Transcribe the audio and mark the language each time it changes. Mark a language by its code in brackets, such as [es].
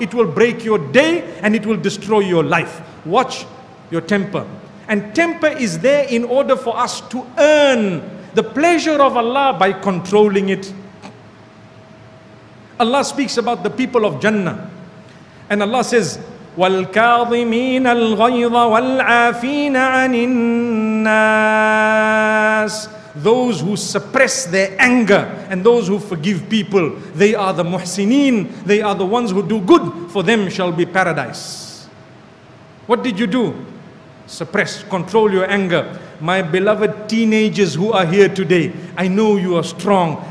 [en] It will break your day and it will destroy your life. Watch your temper. And temper is there in order for us to earn the pleasure of Allah by controlling it. Allah speaks about the people of Jannah. And Allah says, [ar] وَالْكَاظِمِينَ الْغَيْظَ وَالْعَافِينَ عَنِ النَّاسِ. [en] Those who suppress their anger and those who forgive people, they are the muhsineen. They are the ones who do good. For them shall be paradise. What did you do? Suppress, control your anger. My beloved teenagers who are here today, I know you are strong.